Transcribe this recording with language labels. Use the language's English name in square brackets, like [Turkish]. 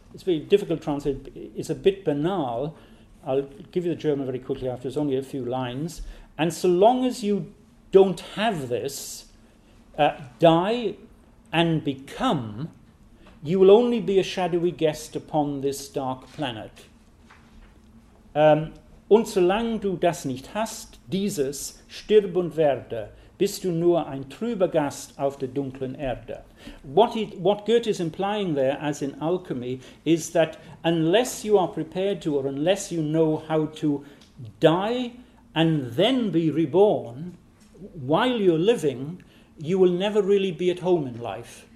[English] it's very difficult to translate, it's a bit banal. I'll give you the German very quickly after, it's only a few lines. And so long as you don't have this, die and become, you will only be a shadowy guest upon this dark planet. [German] Und solange du das nicht hast, dieses, stirb und werde, bist du nur ein trüber Gast auf der dunklen Erde. [English] What Goethe is implying there, as in alchemy, is that unless you are prepared to, or unless you know how to die and then be reborn while you're living, you will never really be at home in life.